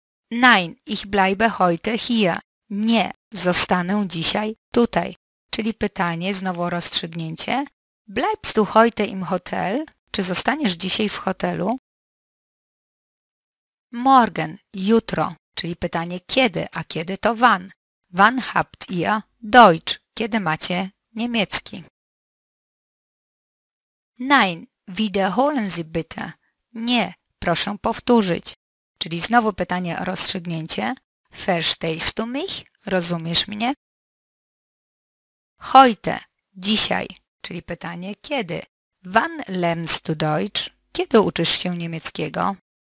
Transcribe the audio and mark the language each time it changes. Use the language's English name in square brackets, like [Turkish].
[German] Nein, ich bleibe heute hier. [Polish] Nie, zostanę dzisiaj tutaj. Czyli pytanie, znowu rozstrzygnięcie. [German] Bleibst du heute im Hotel? [Polish] Czy zostaniesz dzisiaj w hotelu? Morgen, jutro. Czyli pytanie, kiedy? A kiedy to wann? [German] Wann habt ihr Deutsch? [Polish] Kiedy macie niemiecki? [German] Nein, wiederholen Sie bitte. [Polish] Nie, proszę powtórzyć. Czyli znowu pytanie o rozstrzygnięcie. [German] Verstehst du mich? [Polish] Rozumiesz mnie? [German] Heute, [Polish] dzisiaj. Czyli pytanie kiedy? [German] Wann lernst du Deutsch? [Polish] Kiedy uczysz się niemieckiego?